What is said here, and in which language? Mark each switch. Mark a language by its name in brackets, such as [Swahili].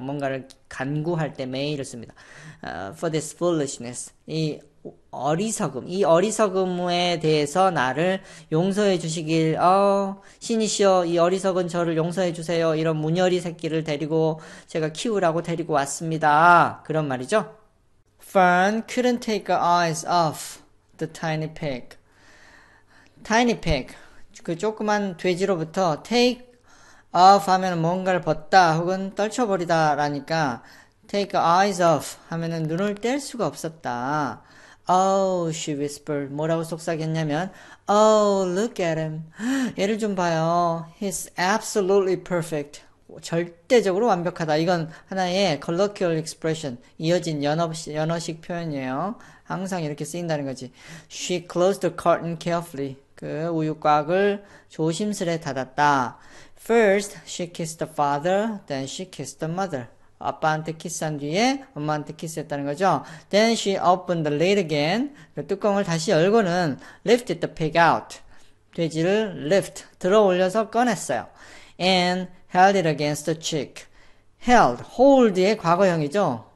[Korean] 뭔가를 간구할 때 may를 씁니다. [English] For this foolishness, [Korean] 이 어리석음, 이 어리석음에 대해서 나를 용서해 주시길, 신이시여, 이 어리석은 저를 용서해 주세요. 이런 문열이 새끼를 데리고 제가 키우라고 데리고 왔습니다. 그런 말이죠. [English] Fern couldn't take her eyes off the tiny pig. [Korean] Tiny pig, 그 조그만 돼지로부터 take off 하면 뭔가를 벗다 혹은 떨쳐버리다라니까 [English] take her eyes off [Korean] 하면 눈을 뗄 수가 없었다. [English] Oh, she whispered. [Korean] 뭐라고 속삭였냐면, [English] Oh, look at him. [Korean] 얘를 좀 봐요. [English] He's absolutely perfect. [Korean] 절대적으로 완벽하다. 이건 하나의 colloquial expression. 이어진 연어식 표현이에요. 항상 이렇게 쓰인다는 거지. [English] She closed the carton carefully. [Korean] 그 우유곽을 조심스레 닫았다. [English] First, she kissed the father, then she kissed the mother. [Korean] 아빠한테 키스한 뒤에 엄마한테 키스했다는 거죠. [English] Then she opened the lid again. [Korean] 그 뚜껑을 다시 열고는 [English] lifted the pig out. [Korean] 돼지를 lift, 들어 올려서 꺼냈어요. [English] And held it against the chick. [Korean] Held, hold의 과거형이죠.